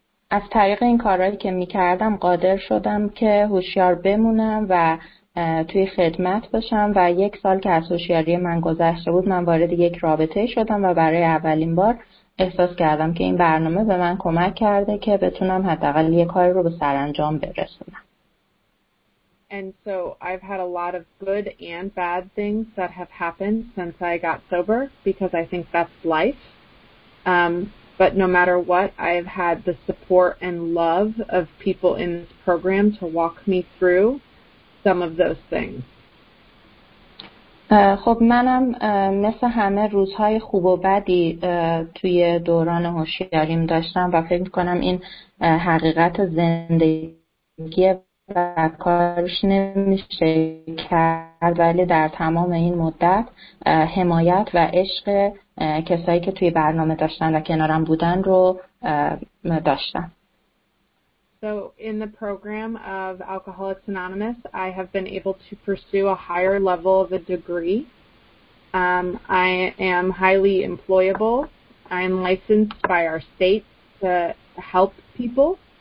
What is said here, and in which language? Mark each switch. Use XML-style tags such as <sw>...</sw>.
<fa>از طریق این کارهایی که میکردم قادر شدم که هوشیار بمونم و توی خدمت باشم و یک سال که از هوشیاری من گذشته بود من وارد یک رابطه شدم و برای اولین بار احساس کردم که این برنامه به من کمک کرده که بتونم حداقل یک کاری رو به سرانجام برسونم.</fa> <en>And so I've had a lot of good and bad things that have happened since I got sober because I think that's life. But no matter what, I've had the support and love of people in this program to walk me through some of those things.</en> <fa>خب منم مثل همه روزهای خوب و بدی توی دوران هوشیاریم داشتم و فکر کنم این حقیقت زندگی و کارش نمیشه کرد، ولی در تمام این مدت حمایت و عشق کسایی که توی برنامه داشتن و کنارم بودن رو داشتم.</fa> <en>So in the program of Alcoholics Anonymous, I have been able to pursue a higher level of a degree. I am highly employable. I am licensed by our state to help people.</en>